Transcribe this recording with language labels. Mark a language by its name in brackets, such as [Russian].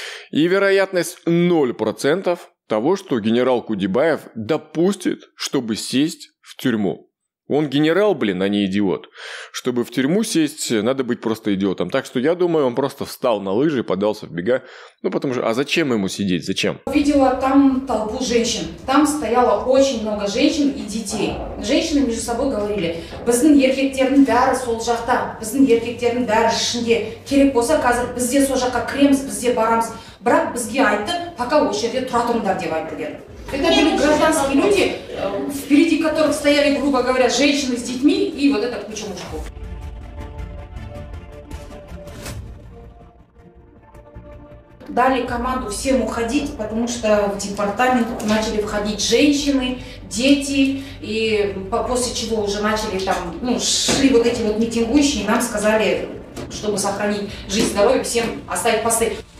[Russian] И вероятность 0% того, что генерал Кудебаев допустит, чтобы сесть в тюрьму. Он генерал, блин, а не идиот. Чтобы в тюрьму сесть, надо быть просто идиотом. Так что я думаю, он просто встал на лыжи и подался в бега. Ну, потому что, а зачем ему сидеть, зачем? Видела там толпу женщин. Там стояло очень много женщин и детей. Женщины между собой говорили, [Kazakh] біздің еркектердің бәрі сол жақта, біздің еркектердің бәрі ішінде. Керек болса, қазір бізде сол жаққа кіреміз, бізде барамыз. Бірақ бізге айтты, пока осы жерде тұра тұрыңдар деп айтты деді. [Russian] Это были гражданские люди, впереди которых стояли, грубо говоря, женщины с детьми и вот эта куча мужиков. Дали команду всем уходить, потому что в департамент начали входить женщины, дети, и после чего уже начали там, ну, шли вот эти вот митингующие, и нам сказали, чтобы сохранить жизнь, здоровье, всем оставить посты.